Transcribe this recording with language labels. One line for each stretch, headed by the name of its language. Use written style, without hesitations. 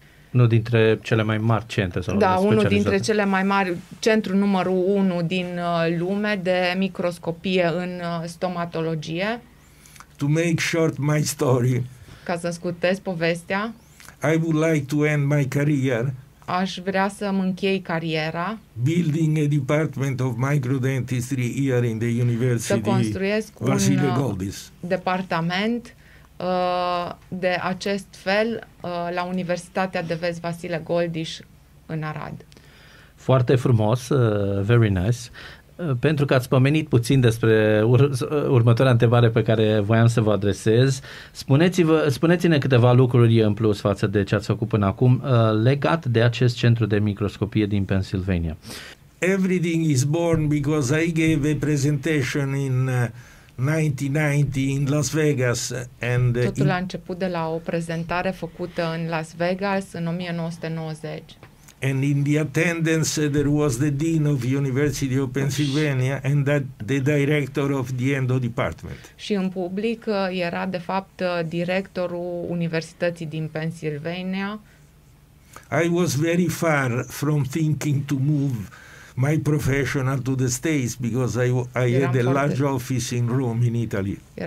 Romanian: unul dintre cele mai mari centre sau da, unul dintre cele mai mari, centru numărul 1 din lume de microscopie în stomatologie.
English: To make short my story.
Romanian: Ca să scurtez povestea.
English: I would like to end my career.
Romanian: Aș vrea să mă închei cariera.
English: Building a department of microdentistry here in the University.
Romanian: Să construiesc Vasile un Goldis. Departament de acest fel la Universitatea de Vest Vasile Goldiș în Arad. Foarte frumos,
English: very nice.
Romanian: Pentru că ați pomenit puțin despre următoarea întrebare pe care voiam să vă adresez, spuneți-ne câteva lucruri în plus față de ce ați făcut până acum legat de acest centru de microscopie din Pennsylvania.
English: Everything is born because I gave a presentation in 1990 in Las Vegas and
Romanian: totul a început de la o prezentare făcută în Las Vegas în 1990.
English: And in the attendance there was the dean of University of Pennsylvania and the director of the endo department.
Romanian: Și în public era de fapt directorul Universității din Pennsylvania.
English: I was very far from thinking to move my professional to the States because I had a large office in Rome in Italy.